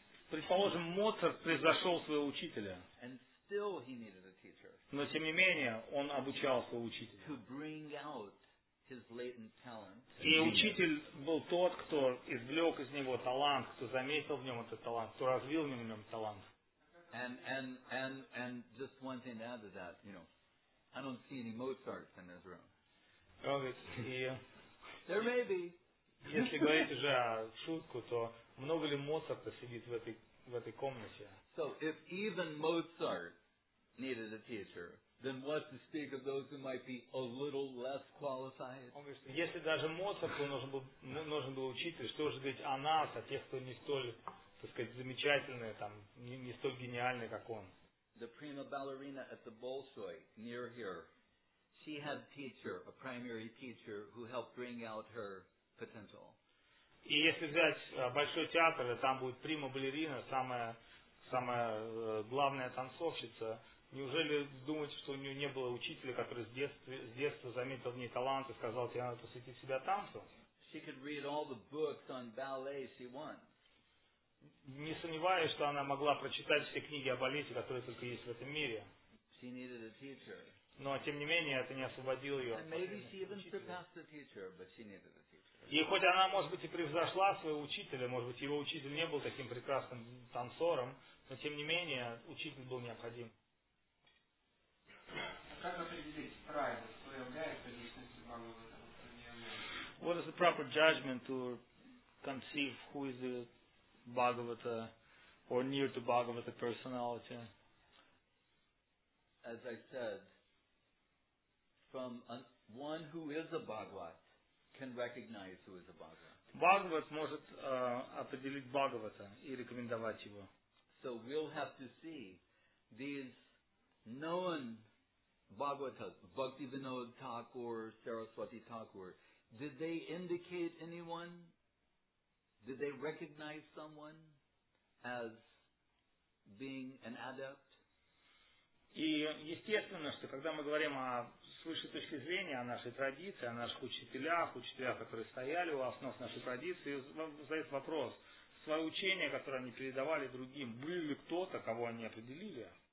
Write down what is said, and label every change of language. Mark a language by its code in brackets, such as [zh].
[ru] Предположим, Моцарт превзошел своего учителя. [en] And still he needed a teacher. [ru] Но тем не менее, он обучал своего учителя. [en] To bring out his latent talent. [ru] И учитель был тот, кто извлек из него талант, кто заметил в нем этот талант, кто развил в нем талант. [en] And just one thing to add to that, you know, I don't see any Mozarts in this room. There may be. [ru] Если говорить уже о шутку, то много ли Моцарта сидит в этой комнате? [en] So if even Mozart needed a teacher, then what to speak of those who might be a little less qualified? [ru] Если даже Моцарту нужен был учитель, что же говорить о нас, о тех, кто не столь, так сказать, замечательные, там, не столь гениальные, как он? [en] The prima ballerina at the Bolshoi near here, she had a primary teacher who helped bring out her potential. [ru] И если взять большой театр, там будет прима-балерина, самая главная танцовщица, неужели думаете, что у нее не было учителя, который с детства заметил в ней талант и сказал, тебе надо посвятить себя танцу? [en] She could read all the books on ballet she wants. [ru] Не сомневаюсь, что она могла прочитать все книги о балете, которые только есть в этом мире. [en] She needed a teacher. [ru] Но, тем не менее, это не освободило ее. [en] And maybe she even surpassed the teacher, but she needed a teacher. [ru] И хоть она, может быть, и превзошла своего учителя, может быть, его учитель не был таким прекрасным танцором, но, тем не менее, учитель был необходим. Как определить правило, что является личностью Бхагавата? [en] What is the proper judgment to conceive who is the Bhagavata or near to Bhagavata personality? As I said, from one who is a Bhagavat, can recognize who is a Bhagavat. [ru] Bhagavat может определить Бхагавата и рекомендовать его. [en] So we'll have to see these known Bhagavatas, Bhaktivinoda Thakur, Saraswati Thakur, Did they indicate anyone? Did they recognize someone as being an adept? [ru] И естественно, что когда мы говорим о свыше точки зрения, о нашей традиции, о наших учителях, учителях, которые стояли у основ нашей традиции, задает вопрос, свое учение, которое они передавали другим, был ли кто-то, кого они определили?